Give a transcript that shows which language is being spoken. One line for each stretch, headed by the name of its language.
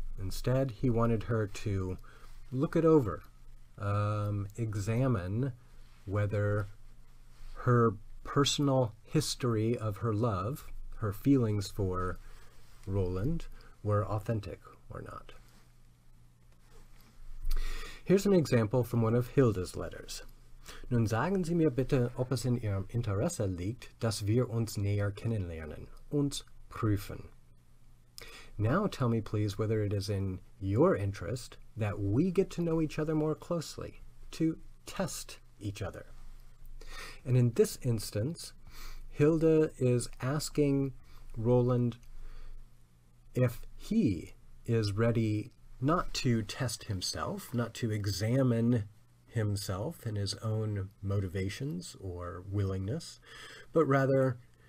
English: Instead, he wanted her to look it over, examine whether her personal history of her love, her feelings for Roland, were authentic or not. Here's an example from one of Hilda's letters.
German: Nun sagen Sie mir bitte, ob es in Ihrem Interesse liegt, dass wir uns näher kennenlernen, uns prüfen.
English: Now tell me please whether it is in your interest that we get to know each other more closely, to test each other. And in this instance, Hilda is asking Roland if he is ready not to test himself, not to examine himself and his own motivations or willingness, but rather